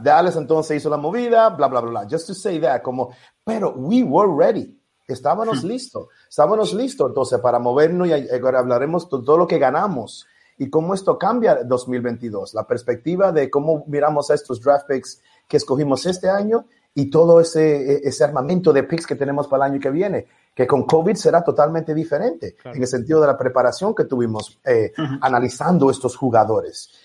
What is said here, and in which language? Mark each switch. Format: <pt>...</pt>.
<es>Dallas entonces hizo la movida, bla, bla, bla, bla.</es> <en>Just to say that,</en> <es>pero</es> <en>we were ready.</en> <es>Estábamos listos entonces para movernos, y ahora hablaremos de todo lo que ganamos y cómo esto cambia 2022. La perspectiva de cómo miramos a estos draft picks que escogimos este año y todo ese armamento de picks que tenemos para el año que viene, que con COVID será totalmente diferente, claro, en el sentido de la preparación que tuvimos analizando estos jugadores.</es>